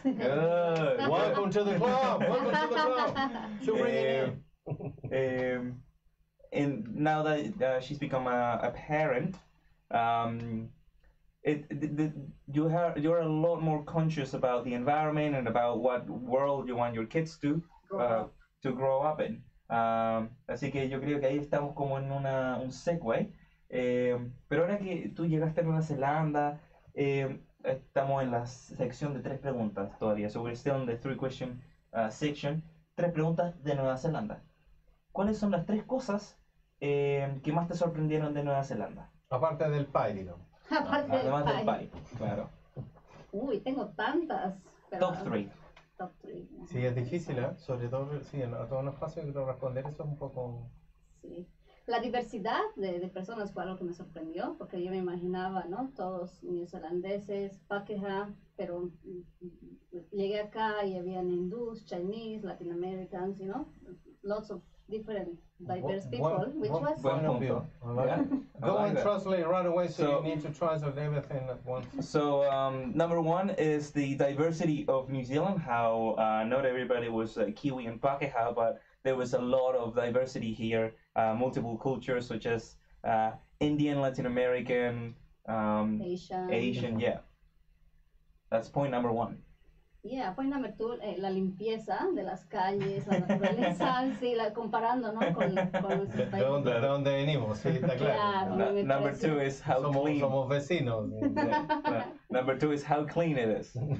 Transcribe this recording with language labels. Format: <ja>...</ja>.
<en>Good. Welcome to the club. To bring it in. And now that she's become a parent, you're a lot more conscious about the environment and about what world you want your kids to grow up in.</en> <es>Así que yo creo que ahí estamos como en un segue. Pero ahora que tú llegaste a Nueva Zelanda, estamos en la sección de tres preguntas todavía.</es> <en>So we're still in the three question section.</en> <es>Tres preguntas de Nueva Zelanda. ¿Cuáles son las tres cosas que más te sorprendieron de Nueva Zelanda? Aparte del pie, digo. Aparte del pie, claro. Uy, tengo tantas. Pero... Top 3. Sí, es difícil, ¿eh? Sobre todo, sí, a todos los espacios quiero responder, eso es un poco... Sí. La diversidad de personas fue algo que me sorprendió, porque yo me imaginaba, ¿no? Todos neozelandeses, Pakeha, pero llegué acá y habían hindús,</es> <en>Chinese, Latin Americans,</en> <es>¿no?</es> <en>Lots of different diverse people, which was...</en> <es>Buen punto.</es> <en>Go and translate right away, so you need to translate everything at once. So, number one is the diversity of New Zealand, how not everybody was Kiwi and Pakeha, but there was a lot of diversity here, multiple cultures, such as Indian, Latin American, Asian, yeah. That's point number one. Yeah, point number two,</en> <es>la limpieza de las calles, la naturaleza, sí, comparando, ¿no?, con nuestro país. ¿De dónde venimos? Sí, está claro.</es> <en>Number two is how clean.</en> <es>Somos vecinos.</es> <en>Number two is how clean it is.</en>